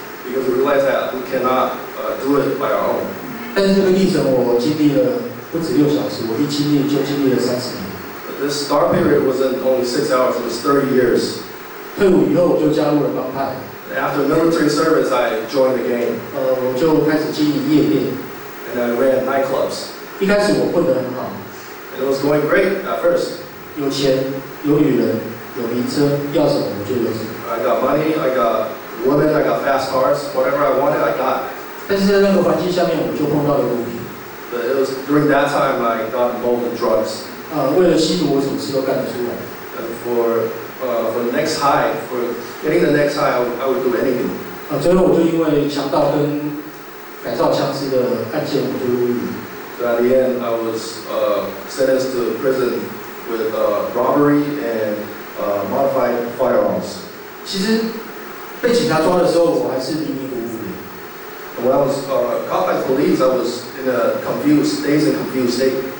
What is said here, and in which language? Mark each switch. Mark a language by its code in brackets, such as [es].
[en] Because we realize that we cannot do it by our own. [zh] 但是这个历程我经历了不止六小时，我一经历就经历了30年。 [en] This dark period wasn't only 6 hours; it was 30 years. [zh] 退伍以后我就加入了帮派。 [en] After military service, I joined the gang. [zh] 我就开始经营夜店。 [en] And I ran nightclubs. [zh] 一开始我混得很好 [en] ，It was going great at first. [zh] 有钱，有女人，有名车，要什么我就有什么。 [en] I got money, I got women, I got fast cars, whatever I wanted, I got. [zh] 但是在那个环境下面，我就碰到了毒品。 [en] But it was during that time I got involved in drugs. [zh] 为了吸毒，我什么事都干得出来。 [en] And for the next high, for getting the next high, I would do anything. [zh] 最后我就因为强盗跟改造枪支的案件，我就入狱。 [en] So at the end, I was sentenced to prison with robbery and modified firearms. [zh] 其实被警察抓的时候，我还是迷迷糊糊的。 [en] When I was caught by police, I was in a confused, dazed and confused state.